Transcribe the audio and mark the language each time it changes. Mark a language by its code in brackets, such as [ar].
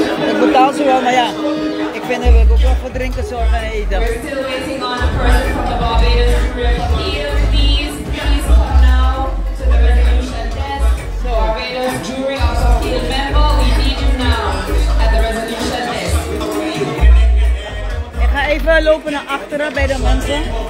[nl] Ik betaal ze wel, maar ja, ik vind dat we ook wel voor drinken zorgen en eten. [en] We're still waiting on a person from the Barbados crew. Please come now to the resolution desk. So, Barbados jury also field member, we need you now at the resolution desk. [nl] Ik ga even lopen naar achteren bij de mensen.